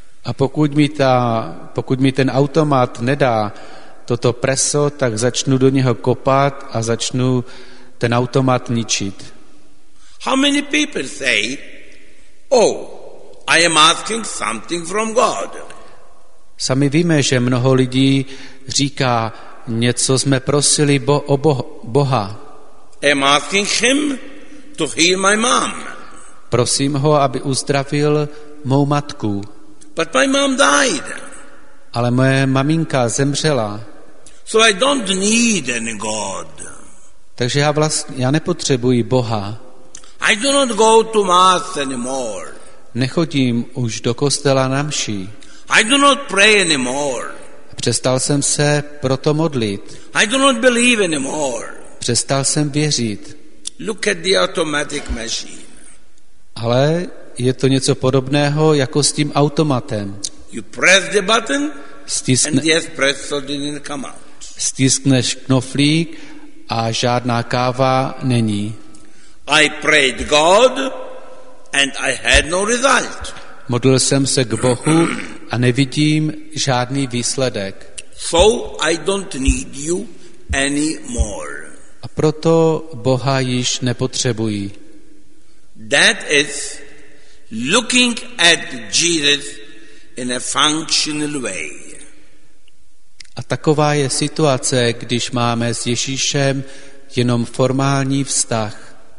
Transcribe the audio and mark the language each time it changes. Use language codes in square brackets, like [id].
[cs] A pokud mi ten automat nedá toto preso, tak začnu do něho kopat a začnu ten automat ničit. [en] How many people say, oh, I am asking something from God? [cs] Sami víme, že mnoho lidí říká, něco jsme prosili Boha. [en] I'm asking him to heal my mom. [cs] Prosím ho, aby uzdravil mou matku. [en] But my mom died. [cs] Ale moje maminka zemřela. [en] So I don't need any God. [cs] Takže já nepotřebuji Boha. [en] I do not go to mass anymore. [cs] Nechodím už do kostela na mši. [en] I do not pray anymore. [cs] Přestal jsem se proto modlit. [en] I do not believe anymore. [cs] Přestal jsem věřit. [en] Look at the automatic machine. [cs] Ale je to něco podobného jako s tím automatem. [en] You press the button. And the espresso didn't come out. [cs] Stiskneš knoflík a žádná káva není. [en] I prayed God and I had no result. [cs] Modlil jsem se k Bohu a nevidím žádný výsledek. [en] So I don't need you anymore. [cs] A proto Boha již nepotřebuji. [en] That is looking at Jesus in a functional way. [cs] A taková je situace, když máme s Ježíšem jenom formální vztah.